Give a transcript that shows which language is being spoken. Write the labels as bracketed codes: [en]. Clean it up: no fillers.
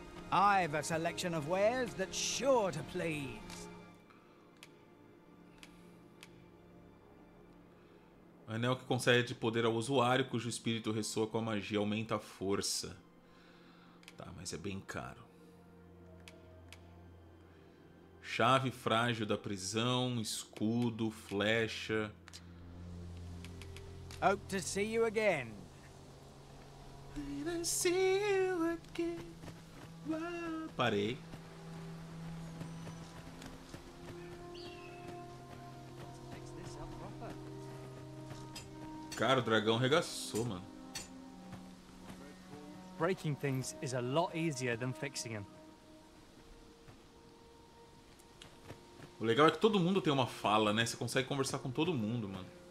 [en] I've a selection of wares that's sure to please. [pt] Anel que concede poder ao usuário cujo espírito ressoa com a magia aumenta a força. Tá, mas é bem caro. Chave frágil da prisão, escudo, flecha. [en] Hope to see you again. Hope to see you again. [pt] Parei. Cara, o dragão regaçou, mano. [en] Breaking things is a lot easier than fixing them. [pt] O legal é que todo mundo tem uma fala, né? Você consegue conversar com todo mundo, mano.